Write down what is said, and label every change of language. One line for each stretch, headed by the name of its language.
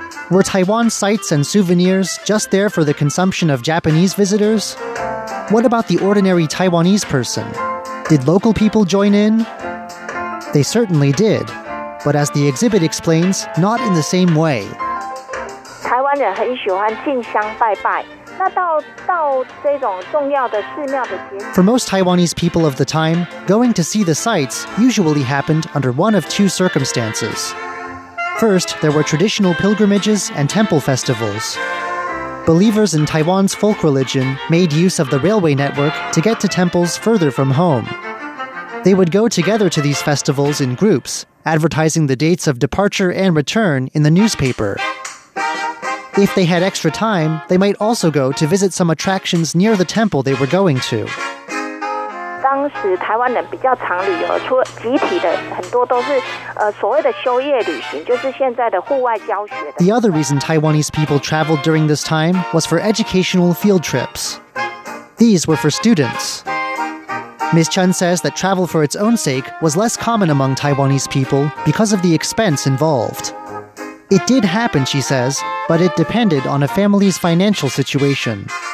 English: Were Taiwan sites and souvenirs just there for the consumption of Japanese visitors? What about the ordinary Taiwanese person? Did local people join in? They certainly did, but as the exhibit explains, not in the same way.
Chinese: 台湾人很喜欢进香拜拜，那到这种重要的寺庙的节。
English: For most Taiwanese people of the time, going to see the sites usually happened under one of two circumstances. First, there were traditional pilgrimages and temple festivals. Believers in Taiwan's folk religion made use of the railway network to get to temples further from home. They would go together to these festivals in groups, advertising the dates of departure and return in the newspaper. If they had extra time, they might also go to visit some attractions near the temple they were going to.
Chinese: 当时台湾人比较常旅游，除了集体的，很多都是所谓的休业旅行，就是现在的户外教学的。
English: The other reason Taiwanese people traveled during this time was for educational field trips. These were for students. Ms. Chen says that travel for its own sake was less common among Taiwanese people because of the expense involved. It did happen, she says, but it depended on a family's financial situation.